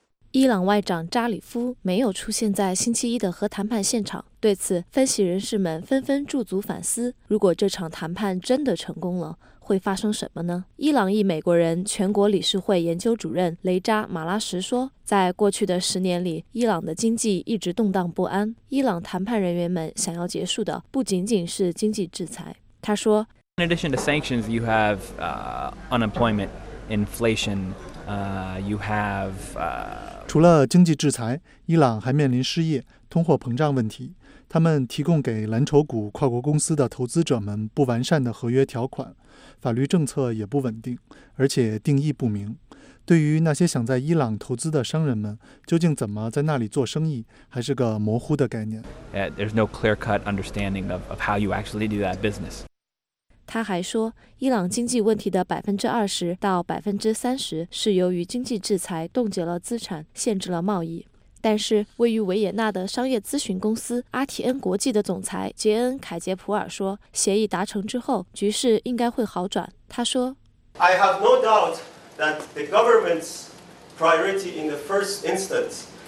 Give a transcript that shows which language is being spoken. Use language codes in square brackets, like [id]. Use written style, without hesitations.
[zh] 伊朗外长扎里夫没有出现在星期一的核谈判现场，对此分析人士们纷纷驻足反思，如果这场谈判真的成功了，会发生什么呢？伊朗裔美国人全国理事会研究主任雷扎马拉什说，在过去的十年里，伊朗的经济一直动荡不安，伊朗谈判人员们想要结束的不仅仅是经济制裁。他说， [en] In addition to sanctions, you have unemployment, inflation, you have... [zh] 除了经济制裁，伊朗还面临失业、通货膨胀问题。他们提供给蓝筹股跨国公司的投资者们不完善的合约条款，法律政策也不稳定，而且定义不明。对于那些想在伊朗投资的商人们，究竟怎么在那里做生意，还是个模糊的概念。 [en] There's no clear-cut understanding of how you actually do that business. [zh] 他还说，伊朗经济问题的20%到30%是由于经济制裁冻结了资产，限制了贸易。但是，位于维也纳的商业咨询公司阿提恩国际的总裁杰恩·凯杰普尔说，协议达成之后，局势应该会好转。他说 [en] ：“I have no doubt that the government's priority in the first instance.”